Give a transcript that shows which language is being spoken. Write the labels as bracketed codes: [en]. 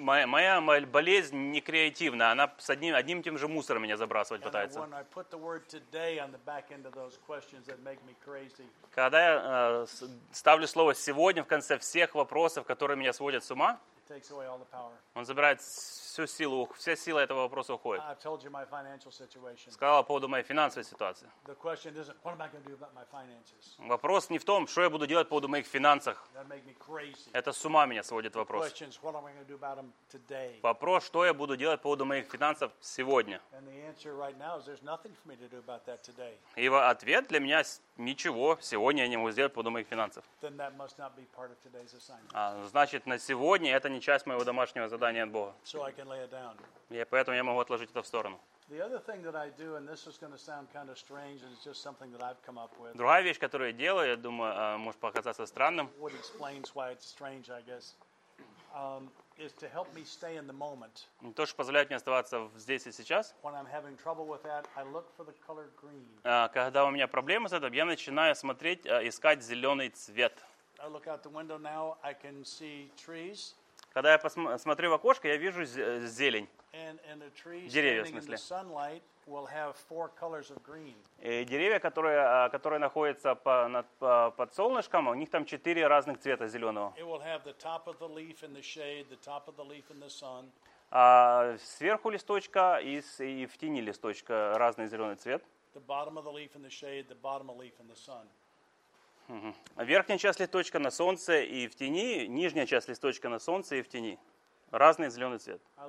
[ru] Моя болезнь не креативна. Она с одним тем же мусором меня забрасывать пытается. [en] And when I put the word today on the back end of those questions that make me crazy. [ru] Когда я ставлю слово сегодня в конце всех вопросов, которые меня сводят с ума, [en] it takes away all the power. [ru] Он забирает всю силу, вся сила этого вопроса уходит. [en] I've told you my financial situation. [ru] Сказал по поводу моей финансовой ситуации. [en] The question isn't what am I going to do about my finances. [ru] Вопрос не в том, что я буду делать по поводу моих финансов. [en] That make me crazy. [ru] Это с ума меня сводит вопрос. [en] The question is what am I going to do about them today. [ru] Вопрос, что я буду делать по поводу моих финансов сегодня. [en] And the answer right now is there's nothing for me to do about that today. [ru] И ответ для меня ничего сегодня я не могу сделать по поводу моих финансов. [en] Then that must not be part of today's assignment. [ru] Значит, на сегодня это не часть моего домашнего задания от Бога. [en] So I can lay it down. [ru] Я поэтому я могу отложить это в сторону. [en] The other thing that I do, and this is going to sound kind of strange, and it's just something that I've come up with. [ru] Другая вещь, которую я делаю, я думаю, может показаться странным. [en] What explains why it's strange, I guess, is to help me stay in the moment. [ru] То, что позволяет мне оставаться здесь и сейчас. [en] When I'm having trouble with that, I look for the color green. [ru] Когда у меня проблемы с этим, я начинаю смотреть, искать зеленый цвет. [en] I look out the window now, I can see trees. [ru] Когда я смотрю в окошко, я вижу зелень. [en] And a tree [ru] деревья, [en] standing [ru] в смысле. [en] In the sunlight will have four colors of green. [ru] И деревья, которые находятся под солнышком, у них там четыре разных цвета зеленого. [en] It will have the top of the leaf in the shade, the top of the leaf in the sun. [ru] Сверху листочка и в тени листочка разный зеленый цвет. [en] The bottom of the leaf in the shade, the bottom of the leaf in the sun. [ru] Верхняя часть листочка на солнце и в тени, нижняя часть листочка на солнце и в тени. Разный зеленый цвет.